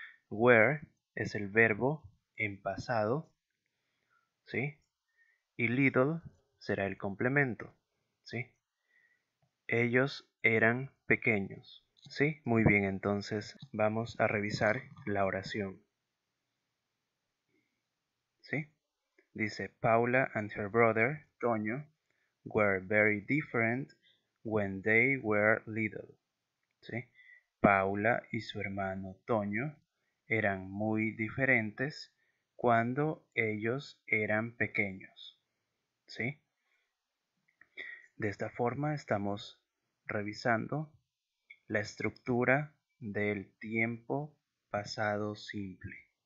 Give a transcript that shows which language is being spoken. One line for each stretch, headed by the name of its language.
Spanish: Were es el verbo en pasado, ¿sí? Y little será el complemento, ¿sí? Ellos eran pequeños, ¿sí? Muy bien, entonces vamos a revisar la oración. Dice,
English: Paula and her brother, Toño, were very different when they were little.
Spanish: ¿Sí? Paula y su hermano Toño eran muy diferentes cuando ellos eran pequeños. ¿Sí? De esta forma estamos revisando la estructura del tiempo pasado simple.